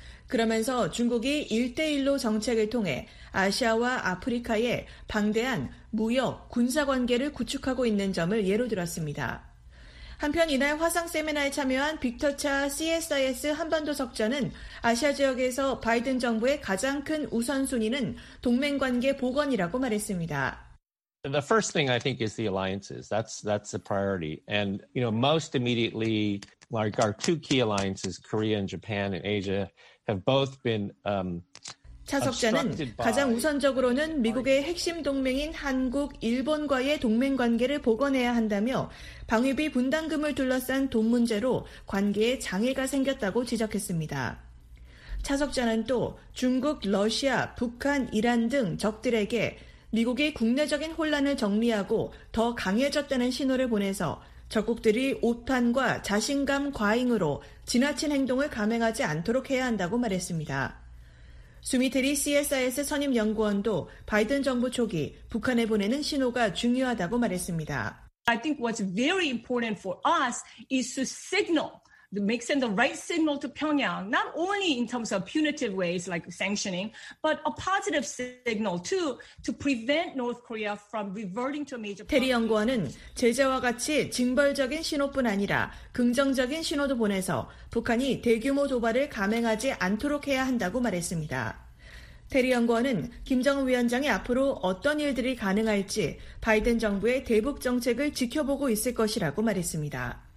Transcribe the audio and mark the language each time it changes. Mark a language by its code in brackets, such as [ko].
[ko] 그러면서 중국이 일대일로 정책을 통해 아시아와 아프리카에 방대한 무역, 군사관계를 구축하고 있는 점을 예로 들었습니다. 한편 이날 화상 세미나에 참여한 빅터 차 CSIS 한반도 석좌는 아시아 지역에서 바이든 정부의 가장 큰 우선순위는 동맹관계 복원이라고 말했습니다. [en] The first thing I think is the alliances. That's the priority. And you know, most immediately, like our two key alliances, Korea and Japan and Asia, have both been. [ko] 차 석좌는 가장 우선적으로는 미국의 핵심 동맹인 한국, 일본과의 동맹 관계를 복원해야 한다며 방위비 분담금을 둘러싼 돈 문제로 관계에 장애가 생겼다고 지적했습니다. 차 석좌는 또 중국, 러시아, 북한, 이란 등 적들에게 미국이 국내적인 혼란을 정리하고 더 강해졌다는 신호를 보내서 적국들이 오판과 자신감 과잉으로 지나친 행동을 감행하지 않도록 해야 한다고 말했습니다. 수미테리 CSIS 선임 연구원도 바이든 정부 초기 북한에 보내는 신호가 중요하다고 말했습니다. [en] I think what's very important for us is to signal, to make the right signal to Pyongyang, not only in terms of punitive ways like sanctioning, but a positive signal too to prevent North Korea from reverting to a major. [ko] 테리 연구원은 제재와 같이 징벌적인 신호뿐 아니라 긍정적인 신호도 보내서 북한이 대규모 도발을 감행하지 않도록 해야 한다고 말했습니다. 테리 연구원은 김정은 위원장이 앞으로 어떤 일들이 가능할지 바이든 정부의 대북 정책을 지켜보고 있을 것이라고 말했습니다.